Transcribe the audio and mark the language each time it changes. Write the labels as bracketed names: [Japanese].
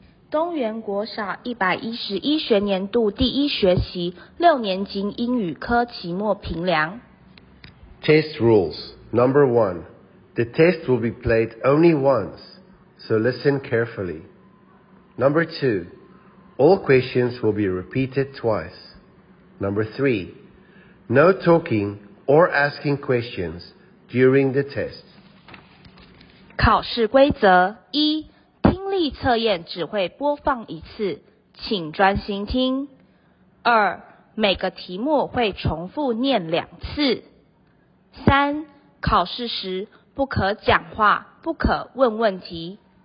[Chinese] 东元国小111学年度第一学期六年级英语科期末评量。 [English] Test rules. Number 1. The test will be played only once, so listen carefully. Number 2. All questions will be repeated twice. Number 3. No talking or asking questions during the test. [Chinese] 考试规则一。听力测验只会播放一次，请专心听。二，每个题目会重复念两次。三，考试时不可讲话，不可问问题。